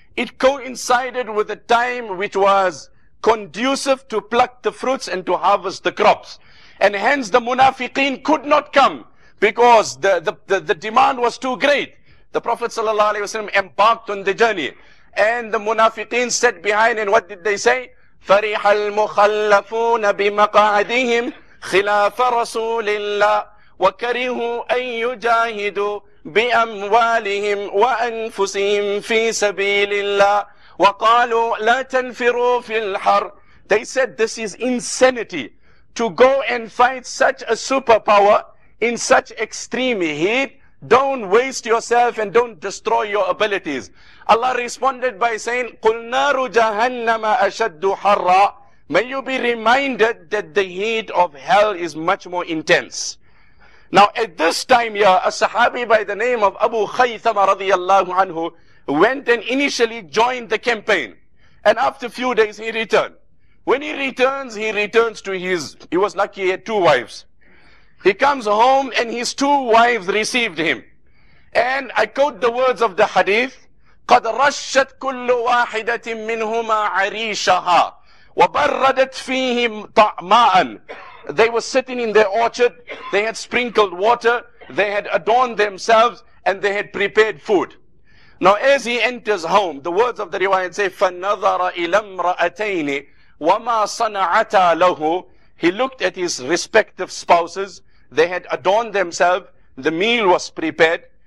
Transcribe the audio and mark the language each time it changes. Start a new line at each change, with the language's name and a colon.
English: It coincided with a time which was conducive to pluck the fruits and to harvest the crops. And hence the munafiqeen could not come because the demand was too great. The Prophet ﷺ embarked on the journey. And the munafiqeen sat behind and what did they say?
Arabic: فَرِحَ الْمُخَلَّفُونَ بِمَقَعَدِهِمْ خِلَافَ رَسُولِ اللَّهِ وَكَرِهُوا أَن يُجَاهِدُوا بأموالهم وأنفسهم في سبيل الله وقالوا لا تنفروا في الحر.
English: They said this is insanity to go and fight such a superpower in such extreme heat. Don't waste yourself and don't destroy your abilities. Allah responded by saying
Arabic: قل نار جهنم أشد حرا.
English: May you be reminded that the heat of hell is much more intense. Now at this time here, a Sahabi by the name of Abu Khaythama radiallahu anhu went and initially joined the campaign. And after a few days he returned. When he returns to his, he was lucky he had two wives. He comes home and his two wives received him. And I quote the words of the hadith,
Arabic: قَدْ رَشَّتْ كُلُّ وَاحِدَةٍ مِّنْهُمَا عَرِيشَهَا وَبَرَّدَتْ فِيهِمْ طَعْمَاءً.
English: They were sitting in their orchard, they had sprinkled water, they had adorned themselves, and they had prepared food. Now as he enters home, the words of the riwayat say,
Arabic: فَنَظَرَ إِلَى امْرَأَتَيْنِ وَمَا صَنَعَتَا لَهُ.
English: He looked at his respective spouses, they had adorned themselves, the meal was prepared.